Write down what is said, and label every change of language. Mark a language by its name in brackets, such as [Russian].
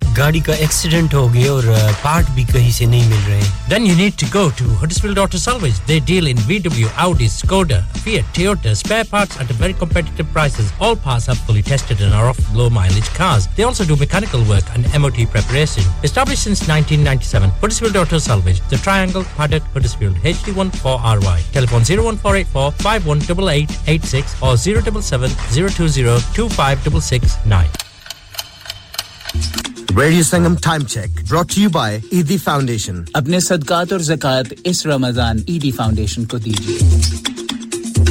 [Urdu] गाड़ी का एक्सीडेंट हो गया और पार्ट भी कहीं से नहीं मिल रहे हैं. [English] Then you need to go to Huddersfield Auto Salvage. They deal in VW, Audi, Skoda, Fiat, Toyota, spare parts at a very competitive prices. All parts are fully tested and are often low mileage cars. They also do mechanical work and MOT preparation. Established since 1997, Huddersfield Auto Salvage, the Triangle, Paddock, Huddersfield, HD14RY. Telephone 01484 518886 or 077 020 25669. Radio Sangam Time Check, brought to you by ED Foundation. [Urdu] अपने सदकात और ज़कात इस Ramzan ED Foundation को दीजिए.